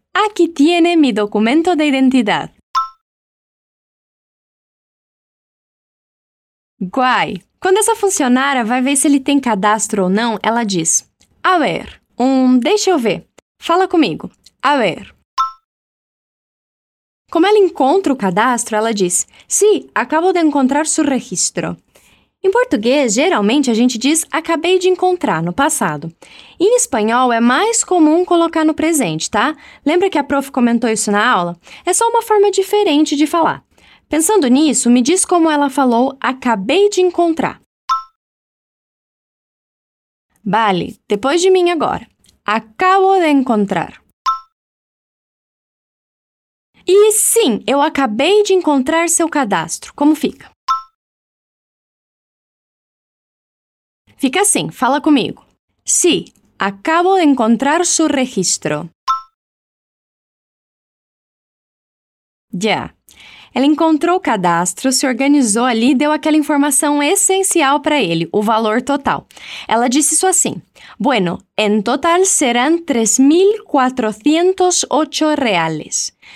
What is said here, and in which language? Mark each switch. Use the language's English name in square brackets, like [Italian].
[Spanish] Aqui tiene mi documento de identidad. Guay! [Portuguese] Quando essa funcionária vai ver se ele tem cadastro ou não, ela diz: A ver, deixa eu ver. Fala comigo. A ver. Como ela encontra o cadastro, ela diz: [Spanish] Sí, acabo de encontrar su registro. [Portuguese] Em português, geralmente, a gente diz acabei de encontrar, no passado. Em espanhol, é mais comum colocar no presente, tá? Lembra que a prof comentou isso na aula? É só uma forma diferente de falar. Pensando nisso, me diz como ela falou acabei de encontrar. Vale, depois de mim agora. [Spanish] Acabo de encontrar. [Portuguese] E sim, eu acabei de encontrar seu cadastro. Como fica? Fica assim, fala comigo. [Spanish] Sí, acabo de encontrar su registro. [Portuguese] Já. Ela encontrou o cadastro, se organizou ali e deu aquela informação essencial para ele, o valor total. Ela disse isso assim. [Spanish] Bueno, en total serán 3.408 reales.